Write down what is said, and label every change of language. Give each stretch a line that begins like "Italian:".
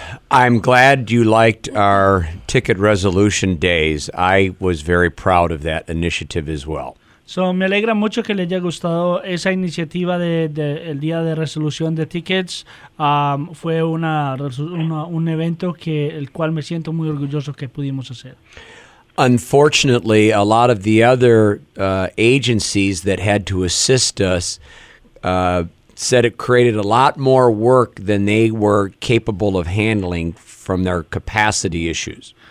English: I'm glad you liked our ticket resolution days. I was very proud of that initiative as well.
Spanish: So, me alegra mucho que le haya gustado esa iniciativa de el día de resolución de tickets. Fue un evento que el cual me siento muy orgulloso que pudimos hacer.
English: Unfortunately, a lot of the other agencies that had to assist us said it created a lot more work than they were capable of handling from their capacity issues.